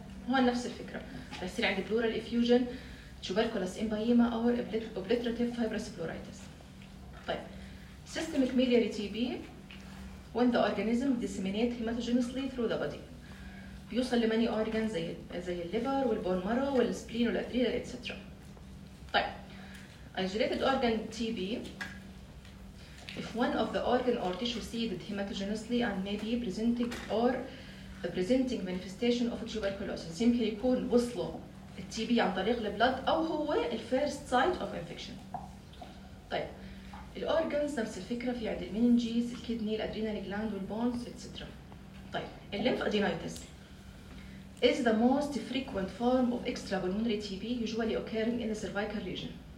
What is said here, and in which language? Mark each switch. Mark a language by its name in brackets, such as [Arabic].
[Arabic] هو نفس الفكرة، رح يصير عندي بلورال افيوجن تشوبركولس امبايما أو obliterative fibrous pleuritis. طيب systemic ميلياري تي بي [English] when the organism disseminates hematogenously through the body، [Arabic] بيوصل لماني أورغان زي الليفر والبون مارو والسبلين والأدريال etc. [English] طيب isolated organ TB if one of the organ or tissue seeded hematogenously and maybe presenting or the presenting manifestation of tuberculosis، [Arabic] يمكن يكون وصله TB عن طريق البلد أو [English] هو the first site of infection. [Arabic] طيب الأورغانز نفس الفكرة، في عند المينينجيز الكيدني الأدرينال جلاند والبونز إتسترا. [English] طيب الليمف adenitis is the most frequent form of extrapulmonary TB usually occurring in the cervical region.